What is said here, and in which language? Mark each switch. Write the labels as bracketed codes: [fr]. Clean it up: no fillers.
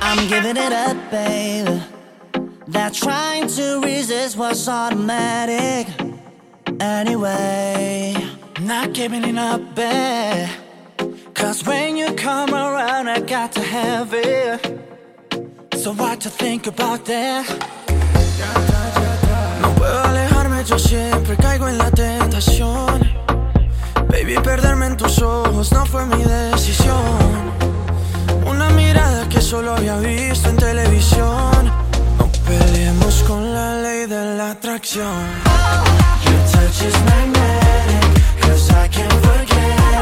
[en] I'm giving it up, babe. That trying to resist was automatic. Anyway, not giving it up, babe. Cause when you come around, I got to have it. So what to think about that? [es] No puedo alejarme, yo siempre caigo en la tentación. Baby, perderme en tus ojos no fue mi decisión. Una mirada que solo había visto en televisión. No peleemos con la ley de la atracción. [en] Your touch is magnetic, cause I can't forget.